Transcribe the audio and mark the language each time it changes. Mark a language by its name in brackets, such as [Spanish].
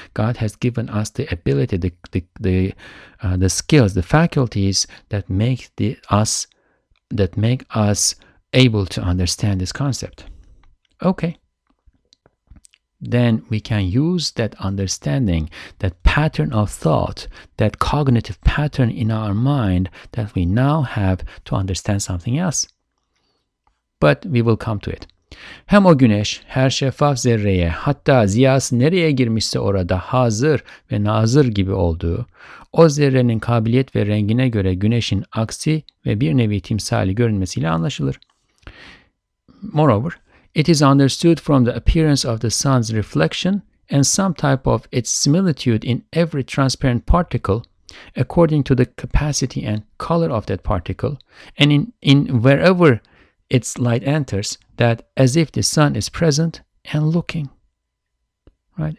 [English] God has given us the ability, the skills, the faculties that make us able to understand this concept. Okay. Then we can use that understanding, that pattern of thought, that cognitive pattern in our mind that we now have to understand something else. But we will come to it. [Turkish] Hem o güneş, her şeffaf zerreye, hatta ziyası nereye girmişse orada hazır ve nazır gibi olduğu, o zerrenin kabiliyet ve rengine göre güneşin aksi ve bir nevi timsali görünmesiyle anlaşılır. [English] Moreover, it is understood from the appearance of the sun's reflection and some type of its similitude in every transparent particle, according to the capacity and color of that particle, and in wherever its light enters, that as if the sun is present and looking. Right?